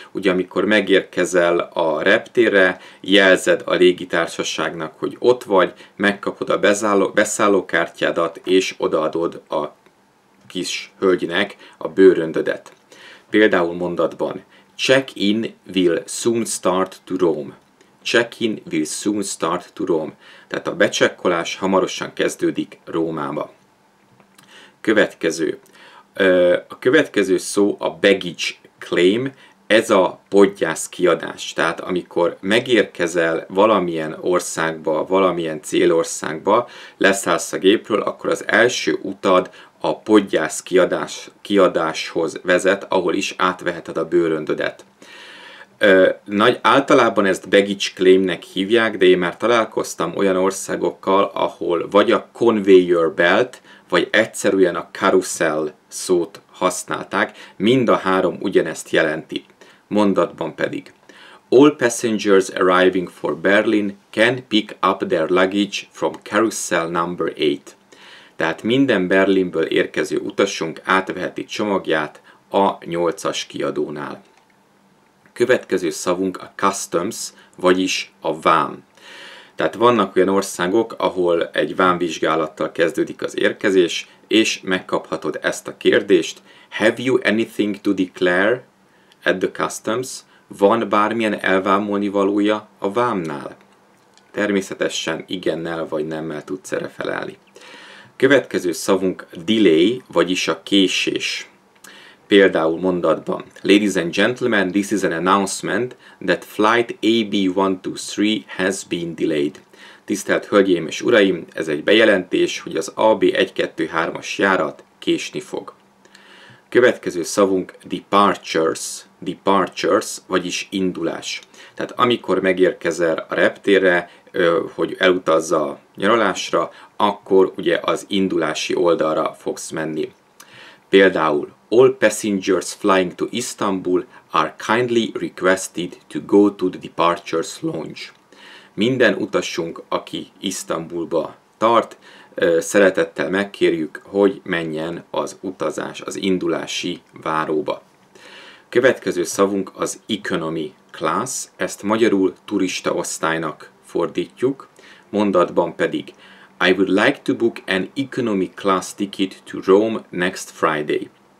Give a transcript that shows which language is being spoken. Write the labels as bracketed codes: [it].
[hu] Ugye amikor megérkezel a reptérre, jelzed a légitársaságnak, hogy ott vagy, megkapod a beszállókártyádat, és odaadod a kis hölgynek a bőröndödet. Például mondatban, [en] check-in will soon start to roam. Check-in will soon start to Rome. [hu] Tehát a becsekkolás hamarosan kezdődik Rómába. Következő. A következő szó a baggage claim. Ez a podgyász kiadás. Tehát amikor megérkezel valamilyen országba, valamilyen célországba, leszállsz a gépről, akkor az első utad a podgyász kiadáshoz vezet, ahol is átveheted a bőröndödet. Általában ezt baggage claimnek hívják, de én már találkoztam olyan országokkal, ahol vagy a conveyor belt, vagy egyszerűen a carousel szót használták, mind a három ugyanezt jelenti. Mondatban pedig. [en] All passengers arriving for Berlin can pick up their luggage from carousel number 8. [hu] Tehát minden Berlinből érkező utasunk átveheti csomagját a 8-as kiadónál. Következő szavunk a customs, vagyis a vám. Tehát vannak olyan országok, ahol egy vámvizsgálattal kezdődik az érkezés, és megkaphatod ezt a kérdést. [en] Have you anything to declare at the customs? [hu] Van bármilyen elvámolni valója a vámnál? Természetesen igennel vagy nemmel tudsz erre felelni. Következő szavunk delay, vagyis a késés. Például mondatban, [en] ladies and gentlemen, this is an announcement that flight AB123 has been delayed. [hu] Tisztelt hölgyeim és uraim, ez egy bejelentés, hogy az AB123-as járat késni fog. Következő szavunk departures, vagyis indulás. Tehát amikor megérkezel a reptérre, hogy elutazz a nyaralásra, akkor ugye az indulási oldalra fogsz menni. Például, [en] all passengers flying to Istanbul are kindly requested to go to the departures lounge. [hu] Minden utasunk, aki Isztambulba tart, szeretettel megkérjük, hogy menjen az utazás, az indulási váróba. Következő szavunk az economy class, ezt magyarul turista osztálynak fordítjuk, mondatban pedig [en] I would like to book an economy class ticket to Rome next Friday.